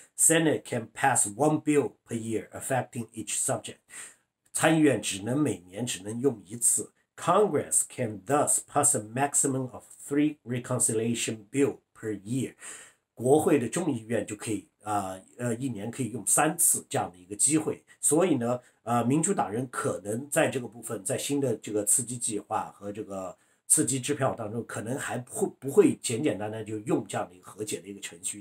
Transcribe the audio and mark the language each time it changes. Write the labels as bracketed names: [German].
[English] Senate can pass one bill per year affecting each subject. [Chinese] 参议院每年只能用一次。 [English] Congress can thus pass a maximum of 3 reconciliation bill per year. [Chinese] 国会的众议院就可以一年可以用3次这样的一个机会。所以呢民主党人可能在这个部分，在新的这个刺激计划和这个刺激支票当中，可能还不会简简单单就用这样的一个和解的一个程序。